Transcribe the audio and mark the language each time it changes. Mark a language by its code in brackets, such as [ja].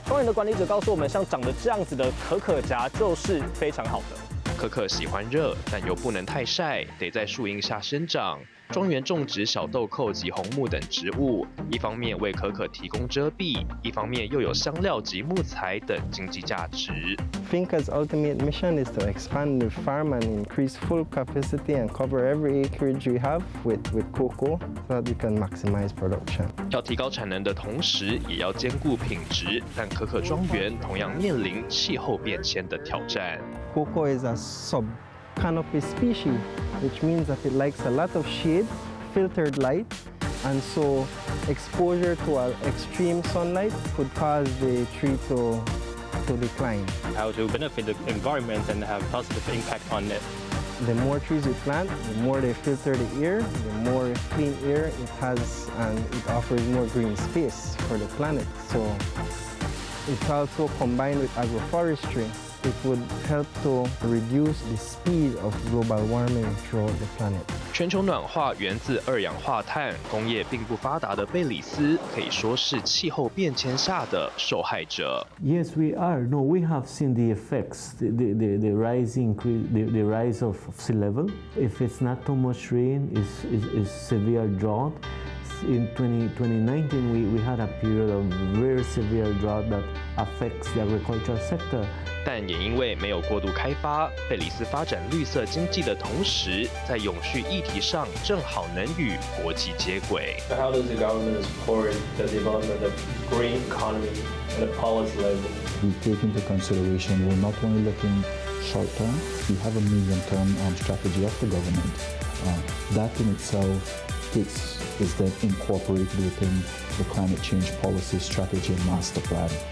[zh] 庄园的管理者告诉我们，像长得这样子的可可荚就是非常好的。可可喜欢热，但又不能太晒，得在树荫下生长。庄园种植小豆蔻及红木等植物，一方面为可可提供遮蔽，一方面又有香料及木材等经济价值。 [en] Finca's ultimate mission is to expand the farm and increase full capacity and cover every acreage we have with cocoa so that we can maximize production. [zh] 要提高产能的同时，也要兼顾品质，但可可庄园同样面临气候变迁的挑战。 [en] Cocoa is a sub canopy species, which means that it likes a lot of shade, filtered light, and so exposure to extreme sunlight could cause the tree to decline. How to benefit the environment and have positive impact on it. The more trees you plant, the more they filter the air, the more clean air it has, and it offers more green space for the planet. So it's also combined with agroforestry. It would help to reduce the speed of global warming throughout the planet. [zh] 全球暖化源自二氧化碳，工业并不发达的贝里斯可以说是气候变迁下的受害者。 [en] Yes, we are. No, we have seen the effects, the rising, the rise of sea level. If it's not too much rain, is severe drought. In 2019, we had a period of very severe drought that affects the agricultural sector. [zh] 但也因为没有过度开发，贝里斯发展绿色经济的同时，在永续议题上正好能与国际接轨。 [en] How does the government support the development of green economy at a policy level? We take into consideration we're not only looking short term, we have a medium term strategy of the government. That in itself is then incorporated within the climate change policy strategy and master plan.